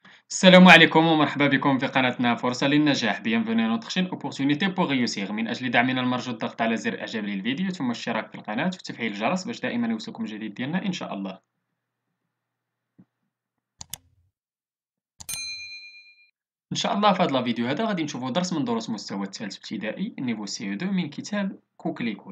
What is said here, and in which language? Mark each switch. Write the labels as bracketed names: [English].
[Arabic] السلام عليكم ومرحبا بكم في قناتنا فرصة للنجاح. [French] Bienvenue à notre chaîne Opportunité pour réussir. [Arabic] من أجل دعمنا المرجو الضغط على زر إعجاب للفيديو ثم الاشتراك في القناة وتفعيل الجرس باش دائما يوصلكم الجديد ديالنا إن شاء الله. إن شاء الله في هذا الفيديو هذا غادي نشوفوا درس من دروس مستوى الثالث ابتدائي نيفو سي 2 من كتاب كوكليكو.